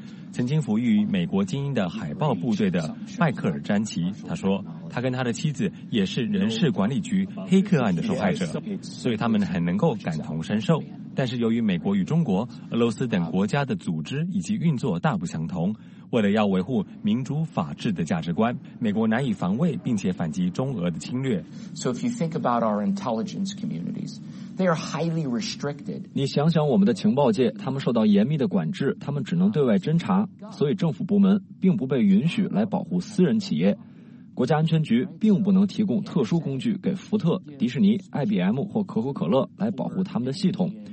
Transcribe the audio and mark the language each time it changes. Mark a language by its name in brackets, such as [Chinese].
[Chinese] 曾经服役于美国精英的海豹部队的迈克尔·詹奇，他说，他跟他的妻子也是人事管理局黑客案的受害者，所以他们很能够感同身受。但是由于美国与中国、俄罗斯等国家的组织以及运作大不相同，为了要维护民主法治的价值观，美国难以防卫并且反击中俄的侵略。 [English] So if you think about our intelligence communities, they are highly restricted. [Chinese] 你想想我们的情报界，他们受到严密的管制，他们只能对外侦查，所以政府部门并不被允许来保护私人企业。国家安全局并不能提供特殊工具给福特、迪士尼、IBM 或可口可乐来保护他们的系统。